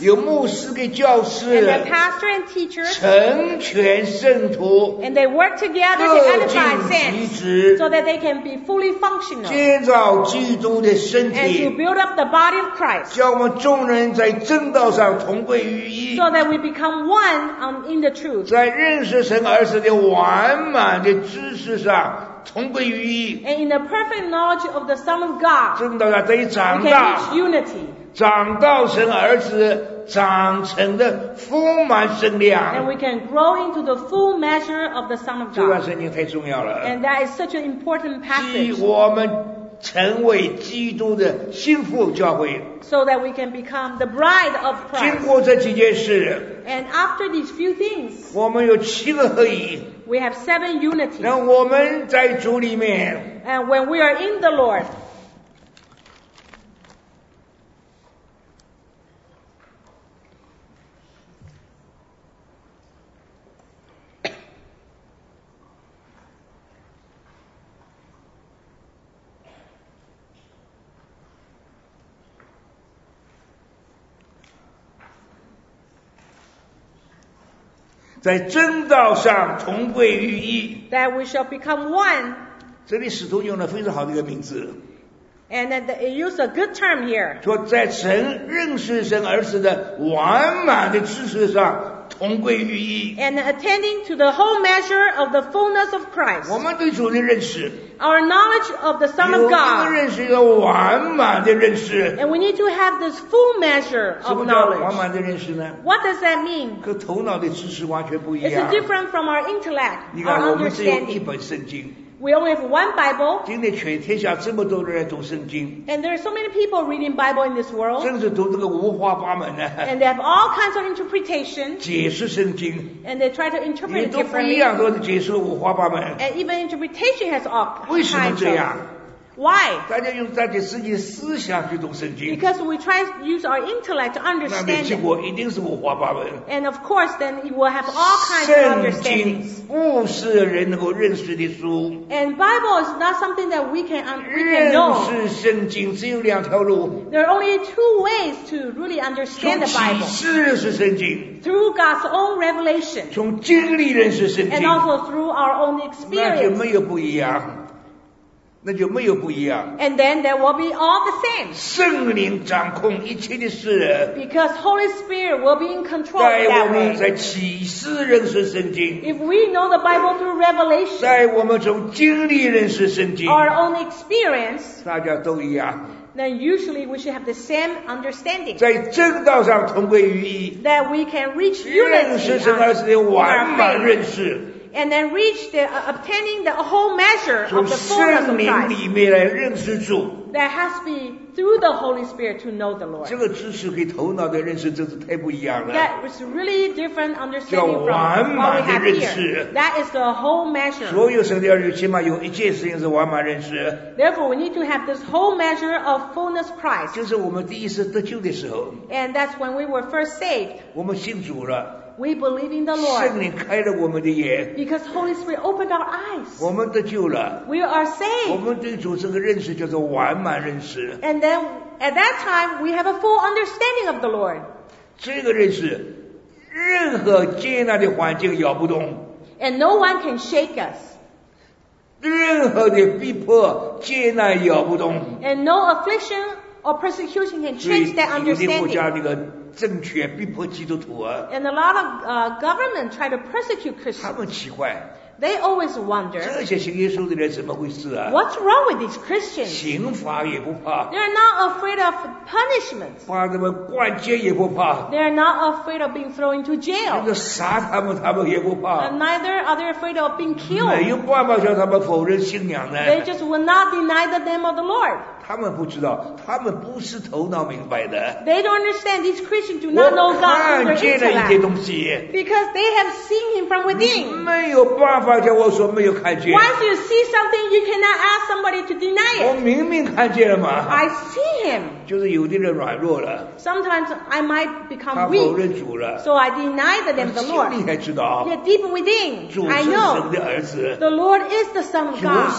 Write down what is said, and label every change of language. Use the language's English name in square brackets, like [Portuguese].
[Chinese] 有牧师跟教师 [English] ，And the pastor and teachers。 [Chinese] 成全圣徒 [English] ，And they work together to edify saints。 So that they can be fully functional。 [Chinese] 建造基督的身体 [English] ，And to build up the body of Christ。 [Chinese] 叫我们众人在正道上同归于一 [English] ，So that we become one in the truth。 [Chinese] 在认识神儿子的完满的知识上。同归于一 [English] And in the perfect knowledge of the Son of God, [Chinese] 正道上得以长大 [English] we can reach unity. [Chinese] 长到神儿子长成的丰满身量 [English] And we can grow into the full measure of the Son of God. [Chinese] 这段圣经太重要了 [English] And that is such an important passage. [Chinese] 既我们成为基督的心腹教会。 [English] So that we can become the bride of Christ. [Chinese] 经过这几件事。 [English] And after these few things. [Chinese] 我们有七个合一。 [English] We have seven unity. [Chinese] 让我们在主里面。 [English] And when we are in the Lord. [Chinese] 在真道上同归于一。 [English] That we shall become one. [Chinese] 这里使徒用了非常好的一个名字。 [English] And that it used a good term here. [Chinese] 说在神认识神儿子的完满的知识上同归于一。 [English] And attending to the whole measure of the fullness of Christ. [Chinese] 我们对主的认识。 [English] Our knowledge of the Son of God. [Chinese] 有一个认识，一个完满的认识。 [English] And we need to have this full measure of knowledge. [Chinese] 什么叫完满的认识呢？ [English] What does that mean? [Chinese] 和头脑的知识完全不一样。 [English] It's different from our intellect, our understanding. [Chinese] 你看，我们只有一本圣经。 [English] We only have one Bible. [Chinese] 今天全天下这么多的人读圣经。 [English] And there are so many people reading Bible in this world. [Chinese] 甚至读这个五花八门的。 [English] And they have all kinds of interpretation. [Chinese] 解释圣经。 [English] And they try to interpret it differently. [Chinese] 也都不一样，都是解释五花八门。 [English] And even interpretation has all kinds of. [Chinese] 为什么这样？ [English] Why? [Chinese] 大家用大家自己思想去读圣经。 [English] Because we try to use our intellect to understand. [Chinese] 那结果一定是五花八门。 [English] And of course, then it will have all kinds of understandings. [Chinese] 圣经不是人能够认识的书。 [English] And Bible is not something that we can know. [Chinese] 认识圣经只有两条路。 [English] There are only two ways to really understand the Bible. [Chinese] 从启示认识圣经。 [English] Through God's own revelation. [Chinese] 从经历认识圣经。 [English] And also through our own experience. [Chinese] 那就没有不一样。那就没有不一样。 [English] And then there will be all the same. [Chinese] 圣灵掌控一切的事。 [English] Because Holy Spirit will be in control of that way. [Chinese] 带我们在启示认识圣经。 [English] If we know the Bible through revelation. [Chinese] 带我们从经历认识圣经。 [English] Our own experience. [Chinese] 大家都一样。 [English] Then usually we should have the same understanding. [Chinese] 在正道上同归于一。 [English] That we can reach unity. [Chinese] 认识圣经是完满认识。 [English] And then reach the obtaining the whole measure of the fullness of Christ. [Chinese] 从圣灵里面来认识主。 [English] That has to be through the Holy Spirit to know the Lord. [Chinese] 这个知识跟头脑的认识真是太不一样了。 [English] That is really different understanding from what we have here. That is the whole measure. [Chinese] 所有神的儿女起码有一件事情是完满认识。 [English] Therefore, we need to have this whole measure of fullness Christ. [Chinese] 就是我们第一次得救的时候。 [English] And that's when we were first saved. [Chinese] 我们信主了。 [English] We believe in the Lord. [Chinese] 圣灵开了我们的眼。 [English] Because Holy Spirit opened our eyes. [Chinese] 我们得救了。 [English] We are saved. [Chinese] 我们对主这个认识叫做完满认识。 [English] And then at that time we have a full understanding of the Lord. [Chinese] 这个认识，任何艰难的环境摇不动。 [English] And no one can shake us. [Chinese] 任何的逼迫艰难摇不动。 [English] And no affliction or persecution can change that understanding. [Chinese] 政权逼迫基督徒啊 [English] ！And a lot of government try to persecute Christians. [Chinese] 他们奇怪。 [English] They always wonder. [Chinese] 这些信耶稣的人怎么回事啊 [English] ？What's wrong with these Christians? [Chinese] 刑罚也不怕。 [English] They're not afraid of punishment. [Chinese] 把他们关监也不怕。 [English] They're not afraid of being thrown into jail. [Chinese] 那个杀他们，他们也不怕。 [English] And neither are they afraid of being killed. [Chinese] 没有办法叫他们否认信仰呢 [English] ？They just will not deny the name of the Lord. [Chinese] 他们不知道，他们不是头脑明白的。 [English] They don't understand. These Christians do not know God through their intellect. [Chinese] 我看见了一些东西。 [English] Because they have seen him from within. [Chinese] 没有办法叫我说没有看见。 [English] Once you see something, you cannot ask somebody to deny it. [Chinese] 我明明看见了嘛。 [English] I see him. [Chinese] 就是有的人软弱了。 [English] Sometimes I might become weak. [Chinese] 他否认主了。 [English] So I deny the name of the Lord. [Chinese] 心里还知道。 [English] Yet deep within, I know. [Chinese] 主是神的儿子。 [English] The Lord is the Son of God.